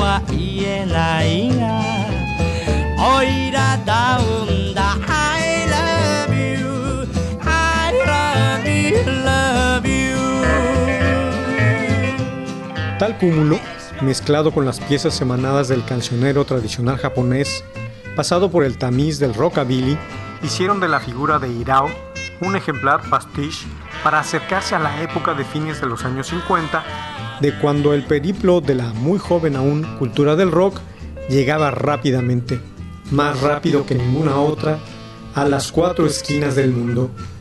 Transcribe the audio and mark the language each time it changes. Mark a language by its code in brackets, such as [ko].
[ja] 言えないが、おいらダウンだ。 [en] I love you, I love you, love you. [es] Tal cúmulo, mezclado con las piezas emanadas del cancionero tradicional japonés, pasado por el tamiz del rockabilly, hicieron de la figura de Hirao un ejemplar pastiche para acercarse a la época de fines de los años 50, de cuando el periplo de la muy joven aún cultura del rock llegaba rápidamente, más rápido que ninguna otra, a las cuatro esquinas del mundo.